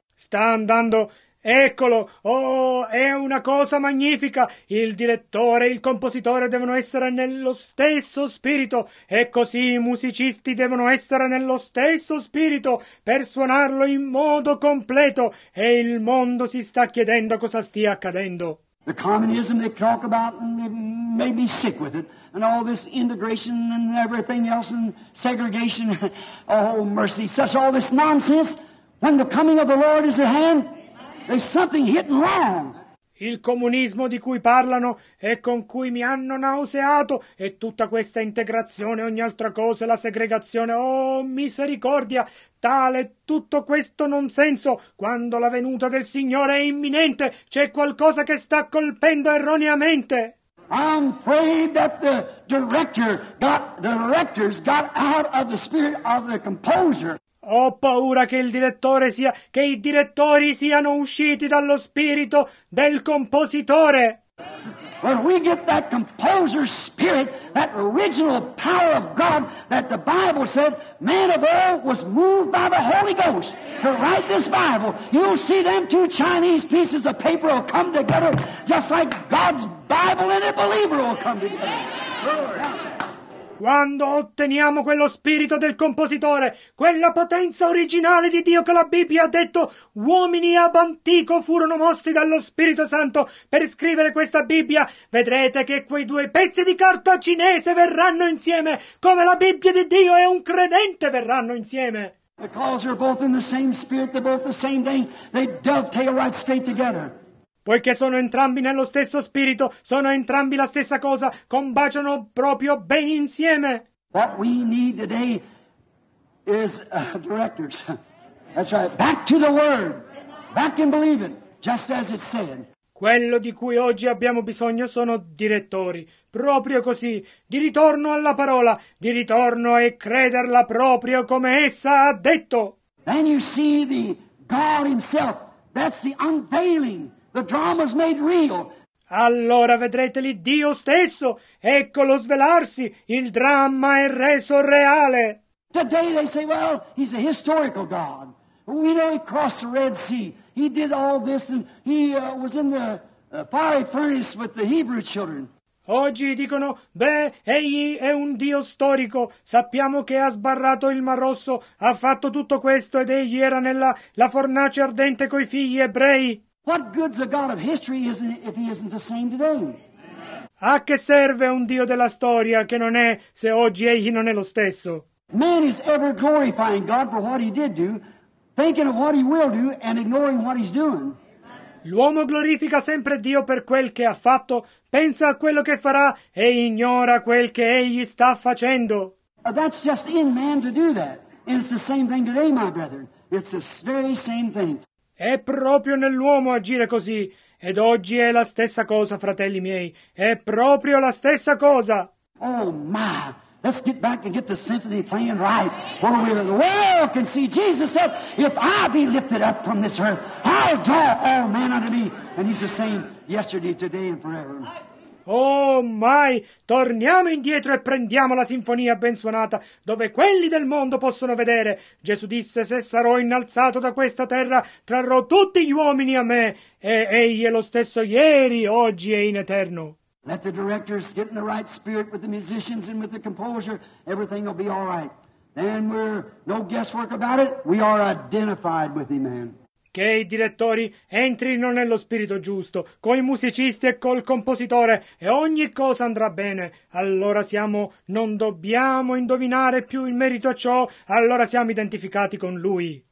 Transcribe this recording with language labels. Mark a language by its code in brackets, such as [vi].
[it] Sta andando. Eccolo. Oh, è una cosa magnifica. Il direttore e il compositore devono essere nello stesso spirito. E così i musicisti devono essere nello stesso spirito per suonarlo in modo completo. E il mondo si sta chiedendo cosa stia accadendo. [en] The communism they talk about made me sick with it. And all this integration and everything else and segregation. Oh, mercy. Such all this nonsense. When the coming of the Lord is at hand, there's something hitting wrong. [it] Il comunismo di cui parlano e con cui mi hanno nauseato e tutta questa integrazione, ogni altra cosa, la segregazione, oh misericordia, tale tutto questo nonsenso, quando la venuta del Signore è imminente, c'è qualcosa che sta colpendo erroneamente. [en] I'm afraid that the directors got out of the spirit of the composer. [it] Ho paura che i direttori siano usciti dallo spirito del compositore. [en] When we get that composer's spirit, that original power of God that the Bible said man of old was moved by the Holy Ghost to write this Bible, you'll see them two Chinese pieces of paper will come together just like God's Bible and a believer will come together. [it] Quando otteniamo quello spirito del compositore, quella potenza originale di Dio che la Bibbia ha detto, uomini ab antico furono mossi dallo Spirito Santo per scrivere questa Bibbia, vedrete che quei due pezzi di carta cinese verranno insieme, come la Bibbia di Dio e un credente verranno insieme. [en] Because they're both in the same spirit, they're both the same thing, they dovetail right straight together. [it] Poiché sono entrambi nello stesso spirito, sono entrambi la stessa cosa, combaciano proprio bene insieme. [en] What we need today is directors. That's right. Back to the word. Back and believe it, just as it's said. [it] Quello di cui oggi abbiamo bisogno sono direttori. Proprio così, di ritorno alla parola, di ritorno e crederla proprio come essa ha detto. [en] Then you see the God himself. That's the unveiling. The drama's made real. [it] Allora vedrete lì Dio stesso. Eccolo svelarsi. Il dramma è reso reale. [en] Today they say, well, he's a historical God. We know he crossed the Red Sea. He did all this and he was in the fiery furnace with the Hebrew children. [it] Oggi dicono, beh, egli è un Dio storico. Sappiamo che ha sbarrato il Mar Rosso, ha fatto tutto questo ed egli era nella fornace ardente coi figli ebrei. [en] What good's a God of history if he isn't the same today? [it] A che serve un Dio della storia che non è se oggi egli non è lo stesso? [en] Man is ever glorifying God for what he did do, thinking of what he will do and ignoring what he's doing. [it] L'uomo glorifica sempre Dio per quel che ha fatto, pensa a quello che farà e ignora quel che egli sta facendo. [en] That's just in man to do that. And it's the same thing today, my brethren. It's the very same thing. [it] È proprio nell'uomo agire così. Ed oggi è la stessa cosa, fratelli miei. È proprio la stessa cosa. [en] Oh my, let's get back and get the symphony playing right. Where we the world can see Jesus said, if I be lifted up from this earth, I'll draw all men unto me. And he's the same yesterday, today and forever. [it] Oh mai, torniamo indietro e prendiamo la sinfonia ben suonata, dove quelli del mondo possono vedere. Gesù disse, se sarò innalzato da questa terra, trarrò tutti gli uomini a me, e egli è lo stesso ieri, oggi e in eterno. [en] Let the directors get in the right spirit with the musicians and with the composer, everything will be all right. And we're no guesswork about it, we are identified with him, man. [it] Che i direttori entrino nello spirito giusto, coi musicisti e col compositore, e ogni cosa andrà bene. Allora siamo, non dobbiamo indovinare più in merito a ciò, allora siamo identificati con lui.